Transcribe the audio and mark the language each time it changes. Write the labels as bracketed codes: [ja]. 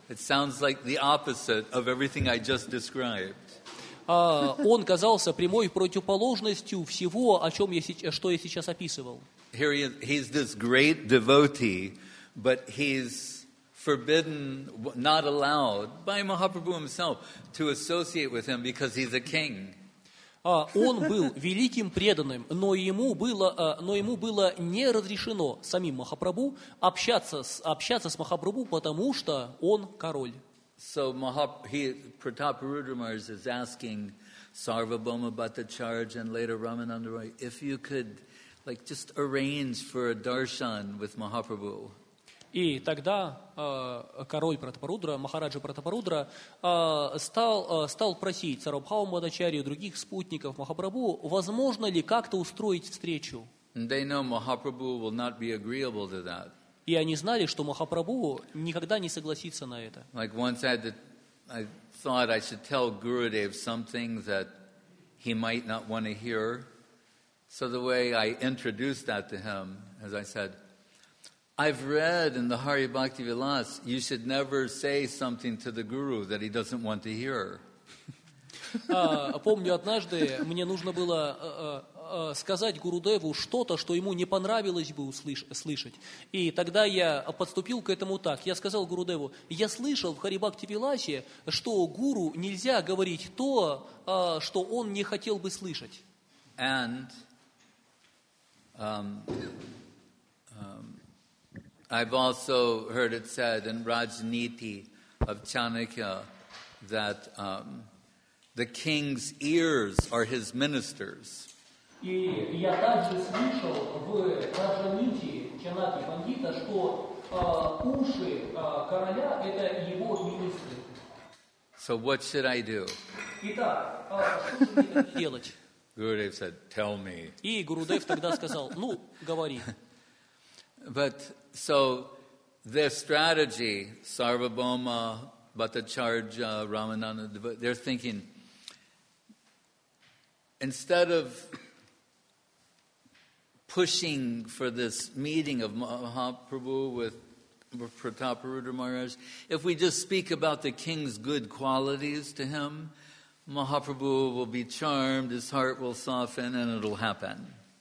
[en] It sounds like the opposite of everything I just described. [ru] Он казался прямой противоположностью всего, что я сейчас описывал. [en] Here he is, he's this great devotee, but he's forbidden, not allowed by Mahaprabhu himself to associate with him because he's a king. [ru] Он был великим преданным, но ему было не разрешено самим Махапрабху общаться с Махапрабху, потому что он король. [en] So Prataparudra Maharaj is asking Sarvabhauma Bhattacharya and later Ramananda Roy, if you could like just arrange for a darshan with Mahaprabhu. [ru] И тогда король Пратапарудра, Махараджа Пратапарудра, стал просить Сарвабхаума Бхаттачарью, других спутников Махапрабху, возможно ли как-то устроить встречу. [en] And they know Mahaprabhu will not be agreeable to that. [ru] И они знали, что Махапрабху никогда не согласится на это. [en] Like once I thought I should tell Gurudev something that he might not want to hear. So the way I introduced that to him, as I said, I've read in the Hari Bhakti Vilas, you should never say something to the guru that he doesn't want to hear. [ru] Помню, однажды мне нужно было сказать Гурудеву что-то, что ему не понравилось бы слышать. И тогда я подступил к этому так. Я сказал Гурудеву, я слышал в Харибхакти Виласе, что гуру нельзя говорить то, что он не хотел бы слышать. [en] And I've also heard it said in Rajniti of Chanakya that the king's ears are his ministers. [ru] И я также слышал в Раджаните Чанаки Пандита, что уши короля – это его министры. [en] So what should I do? [ru] Итак, что же мне делать? [en] Гурудев said, tell me. [ru] И Гурудев тогда сказал, ну, говори. [en] But so their strategy, Sarvabhauma, Bhattacharya, Ramananda, they're thinking, instead of pushing for this meeting of Mahaprabhu with Prataparudra Maharaj, if we just speak about the king's good qualities to him, Mahaprabhu will be charmed, his heart will soften, and it'll happen.